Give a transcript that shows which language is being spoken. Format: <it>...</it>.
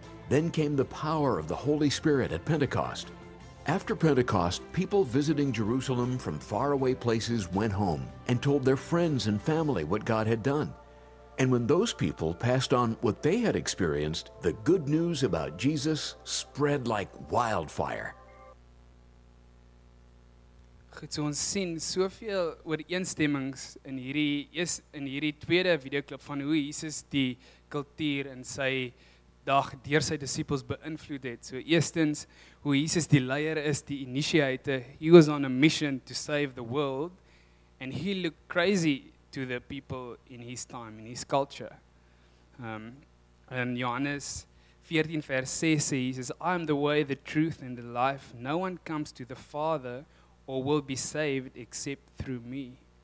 <en>Then came the power of the Holy Spirit at Pentecost. After Pentecost, people visiting Jerusalem from faraway places went home and told their friends and family what God had done. And when those people passed on what they had experienced, the good news about Jesus spread like wildfire.</en> <af>Goed, so ons sien soveel ooreenstemmings in hierdie tweede videoklip van hoe Jesus die kultuur in sy dag deur sy disippels beïnvloed het. So eerstens, hoe Jesus die leier is, die initiator,</af> <en>he was on a mission to save the world, and he looked crazy to the people in his time, in his culture.</en> <af>In Johannes 14 vers 6 sê Jesus,</af> <en>I am the way, the truth and the life, no one comes to the Father or will be saved except through me.</en>